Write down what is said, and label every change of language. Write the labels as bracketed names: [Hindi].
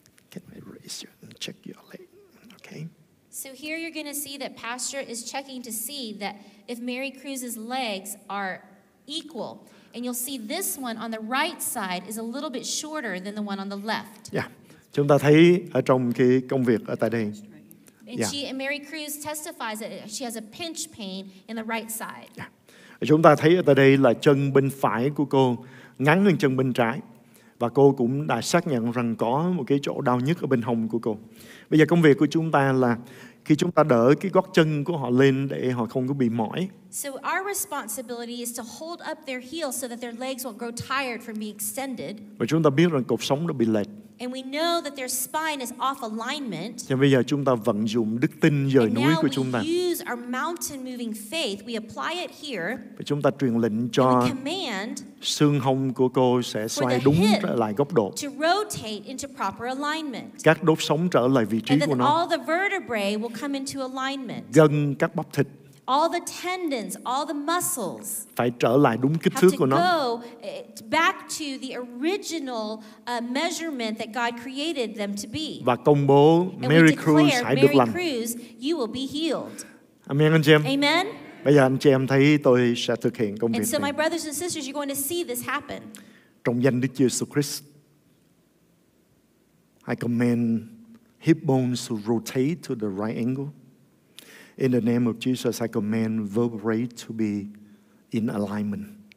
[English] Can I raise you and check your leg? Okay. So here you're going to see that Pastor is checking to see that if Mary Cruz's legs are equal. And you'll see this one on the right side is a little bit shorter than the one on the left. Yeah. [Vietnamese] Chúng ta thấy ở trong cái công việc ở tại đây. [English] And Mary Cruz testifies that she has a pinch pain in the right side. Yeah. [Vietnamese] Chúng ta thấy ở tại đây là chân bên phải của cô ngắn hơn chân bên trái. Và cô cũng đã xác nhận rằng có một cái chỗ đau nhất ở bên hông của cô. Bây giờ công việc của chúng ta là khi chúng ta đỡ cái gót chân của họ lên để họ không có bị mỏi. [English] So our responsibility is to hold up their heels so that their legs won't grow tired from being extended. [Vietnamese] Và chúng ta biết rằng cột sống đã bị lệch. [English] And we know that their spine is off alignment. [Vietnamese] Và bây giờ chúng ta vận dụng đức tin dời núi của chúng ta. [English] And now we use our mountain moving faith. We apply it here. [Vietnamese] Và chúng ta truyền lệnh cho xương hông của cô sẽ xoay đúng trở lại góc độ. [English] To rotate into proper alignment. [Vietnamese] Các đốt sống trở lại vị trí của nó. [English] And all the vertebrae will come into alignment. [Vietnamese] Gân các bắp thịt. [English] All the tendons, all the muscles. [Vietnamese] Phải trở lại đúng kích thước của nó. [English] Back to the original measurement that God created them to be. [Vietnamese] Và công bố Mary Cruz hãy được lành. [English] Mary Cruz, you will be healed. [Vietnamese] Amen anh chị em. Amen. Bây giờ anh chị em thấy tôi sẽ thực hiện công việc này. [English] And so my brothers and sisters, you're going to see this happen. [Vietnamese] Trong danh Đức Chúa Jesus Christ. [English] I command hip bones to rotate to the right angle. In the name of Jesus, I command vertebrae to be in alignment.